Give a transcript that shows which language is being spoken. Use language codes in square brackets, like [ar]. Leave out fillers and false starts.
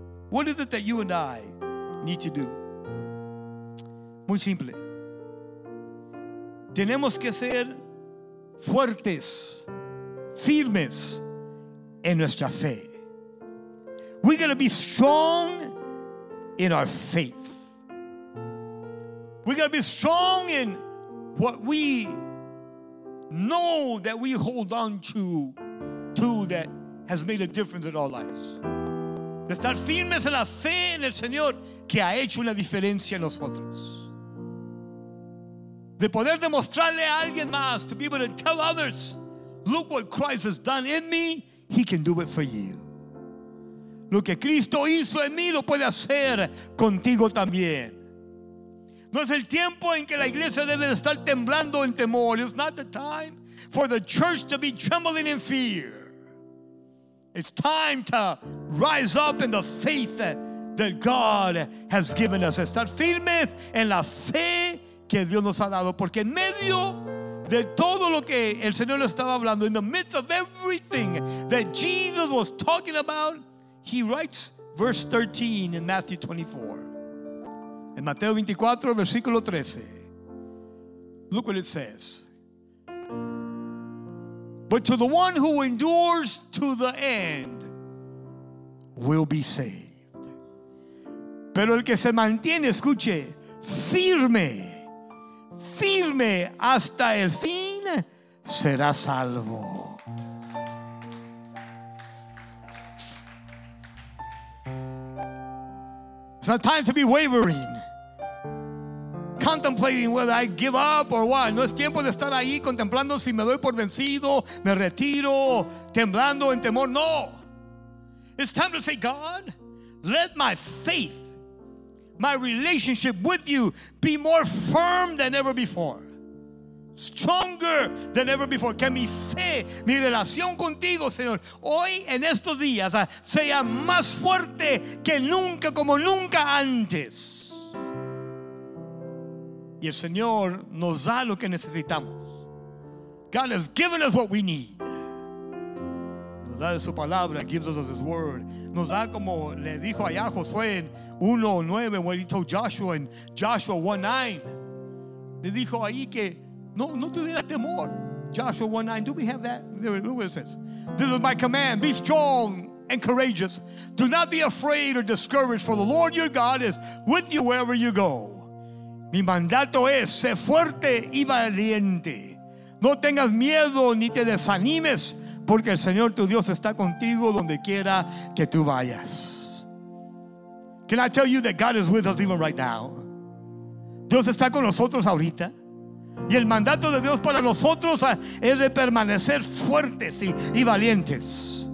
[en] What is it that you and I need to do? [es] Muy simple. Tenemos que ser fuertes, firmes en nuestra fe. [en] We're going to be strong in our faith. We're going to be strong in what we know that we hold on to that has made a difference in our lives. [es] De estar firmes en la fe en el Señor que ha hecho una diferencia en nosotros. De poder demostrarle a alguien más, [en] to be able to tell others, look what Christ has done in me, he can do it for you. [es] Lo que Cristo hizo en mí lo puede hacer contigo también. No es el tiempo en que la iglesia debe estar temblando en temor. [en] It's not the time for the church to be trembling in fear. It's time to rise up in the faith that God has given us. [es] Estar firmes en la fe que Dios nos ha dado. Porque en medio de todo lo que el Señor estaba hablando, [en] in the midst of everything that Jesus was talking about, he writes verse 13 in Matthew 24. [es] En Mateo 24, versículo 13. [en] Look what it says. But to the one who endures to the end will be saved. [es] Pero el que se mantiene, escuche, firme, firme hasta el fin, será salvo. [en] It's not time to be wavering, contemplating whether I give up or what. [es] No es tiempo de estar ahí contemplando si me doy por vencido, me retiro, temblando en temor. No. [en] It's time to say, God, let my faith, my relationship with you be more firm than ever before. Stronger than ever before. [es] Que mi fe, mi relación contigo, Señor, hoy en estos días sea más fuerte que nunca, como nunca antes. Y el Señor nos da lo que necesitamos. [en] God has given us what we need. [es] Nos da de su palabra, [en] gives us his word. [es] Nos da como le dijo allá a Josué en 1:9, [en] when he told Joshua in Joshua 1:9. [es] Le dijo ahí que no tuviera temor. [en] Joshua 1:9. Do we have that? Look what it says. This is my command. Be strong and courageous. Do not be afraid or discouraged, for the Lord your God is with you wherever you go. [es] Mi mandato es, sé fuerte y valiente. No tengas miedo ni te desanimes, porque el Señor tu Dios está contigo donde quiera que tú vayas. [en] Can I tell you that God is with us even right now? [es] Dios está con nosotros ahorita. Y el mandato de Dios para nosotros es de permanecer fuertes y valientes.